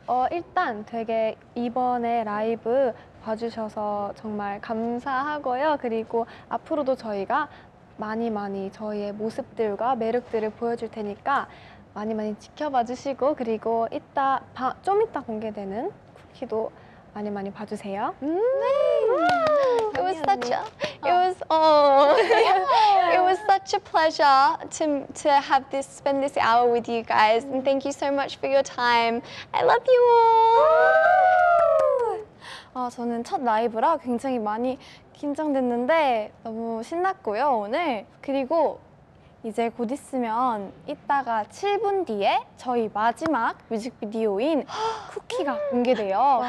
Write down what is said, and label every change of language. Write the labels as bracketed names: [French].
[Korean] 일단 되게 이번에 라이브 봐주셔서 정말 감사하고요. 그리고 앞으로도 저희가 많이 많이 저희의 모습들과 매력들을 보여줄 테니까 많이 많이 지켜봐 주시고 그리고 이따 좀 이따 공개되는 쿠키도 많이 많이 봐주세요. 네. [English] It was such a, it was, oh, it was such a pleasure to have this, spend this hour with you guys. And thank you so much for your time. I love you all. [Korean] 아, 저는 첫 라이브라 굉장히 많이 긴장됐는데 너무 신났고요, 오늘. 그리고 이제 곧 있으면 이따가 7분 뒤에 저희 마지막 뮤직비디오인 쿠키가 공개돼요.